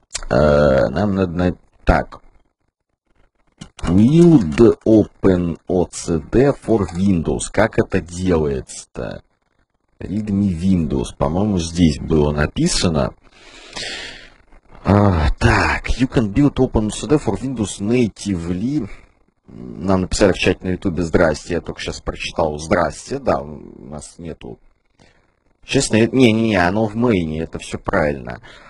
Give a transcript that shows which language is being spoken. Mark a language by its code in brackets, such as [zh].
[ru] Нам надо найти... Так. [en] Build OpenOCD for Windows. [ru] Как это делается-то? Readme Windows. По-моему, здесь было написано. Так. [en] You can build OpenOCD for Windows natively. [ru] Нам написали в чате на YouTube. Здрасте. Я только сейчас прочитал. Здрасте. Да, у нас нету... Честно, не-не-не, оно в мейне, это все правильно.